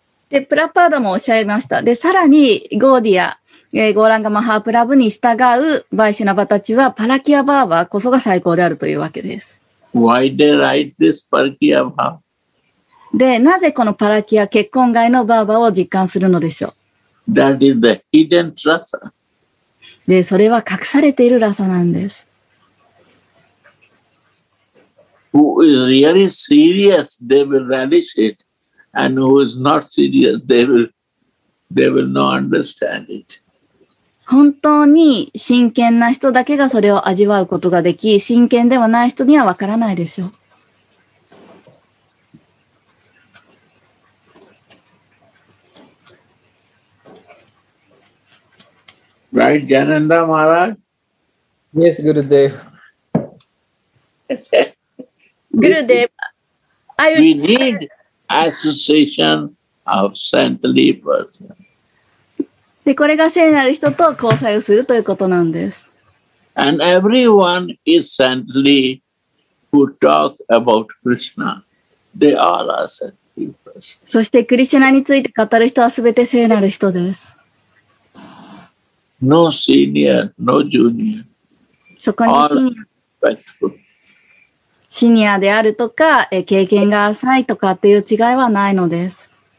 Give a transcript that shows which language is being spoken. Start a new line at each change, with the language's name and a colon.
Japanese: で、プラパーダもおっしゃいました。で、さらに、ゴーディア、ゴーランガマハープラブに従うバイシュナバたちは、パラキアバーバーこそが最高であるというわけです。
English: Why they write this パラキアバーバ
Japanese: ー？で、なぜこのパラキア結婚外のバーバーを実感するのでしょう？
English: That is the hidden rasa.
Japanese: で、それは隠されているラサなんです。
English: Who is really serious, they will relish it. And who is not serious, they will not understand it.
Japanese: 本当に真剣な人だけがそれを味わうことができ、真剣ではない人にはわからないでしょう。
English: Right, Jananda Maharaj? Yes, Gurudev. Gurudev, I will... We need... Association of saintly person.
Japanese: で、これが聖なる人と交際をするということなんです。
English: And everyone is saintly who talk about Krishna. They all are saintly person.
Japanese: そして、クリシュナについて語る人はすべて聖なる人です。
English: No senior, no junior.
Japanese: そこにシニア。シニアであるとか、経験が浅いとかっていう違いはないのです。